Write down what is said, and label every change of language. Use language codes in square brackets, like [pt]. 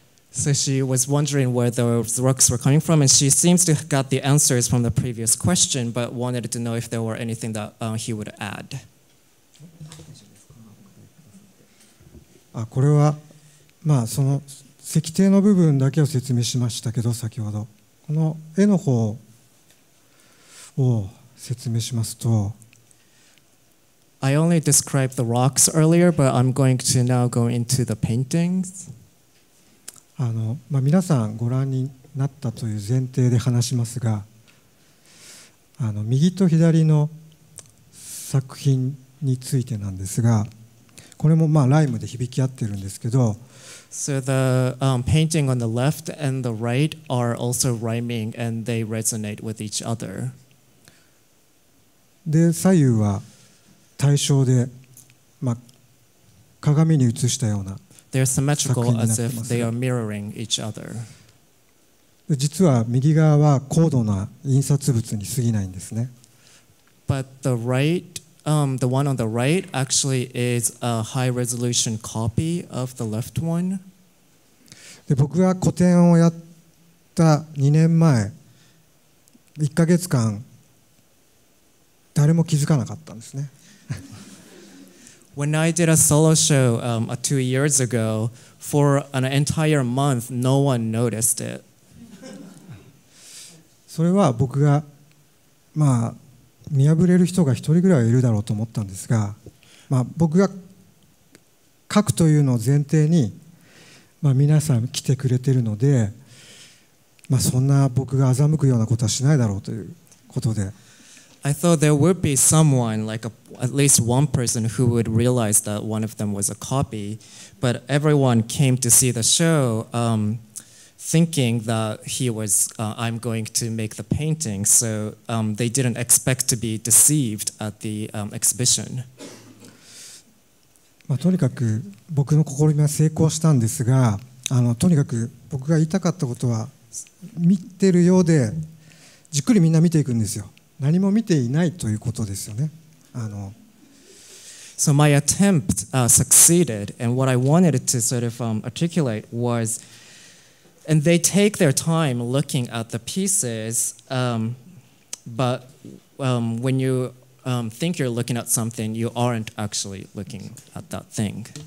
[en] So she was wondering where those rocks were coming from, and she seems to have got the answers from the previous question, but wanted to know if there were anything that he would add. [ja] Ah, これはまあその石庭の部分だけを説明しましたけど、先ほどこの絵の方を説明しますと。 [en] I only described the rocks earlier, but I'm going to now go into the paintings. [ja] まあ、皆さんご覧になったという前提で話しますが、右と左の作品についてなんですが、これもまあライムで響き合ってるんですけど、 [en] So the painting on the left and the right are also rhyming and they resonate with each other. [ja] で、左右は対称で、まあ、鏡に映したような作品になってます。 [en] They're symmetrical as if they are mirroring each other. [ja] 実は右側は高度な印刷物に過ぎないんですね。 [en] But the right, the one on the right actually is a high resolution copy of the left one. [ja] で、僕が個展をやった2年前、1ヶ月間誰も気づかなかったんですね。 [en] When I did a solo show 2 years ago, for an entire month, no one noticed it. [ja] それは僕が、まあ、見破れる人が一人ぐらいいるだろうと思ったんですが、まあ、僕が書くというのを前提に、まあ、皆さん来てくれているので、まあ、そんな僕が欺くようなことはしないだろうということで。 [en] I thought there would be someone, like at least one person, who would realize that one of them was a copy. But everyone came to see the show thinking that he was, I'm going to make the painting. So they didn't expect to be deceived at the exhibition. [ja] まあ、とにかく僕の試みは成功したんですが、とにかく僕が言いたかったことは、見てるようでじっくりみんな見ていくんですよ。何も見ていないということですよね。 [en] So my attempt succeeded, and what I wanted to sort of articulate was, and they take their time looking at the pieces, but when you think you're looking at something, you aren't actually looking at that thing.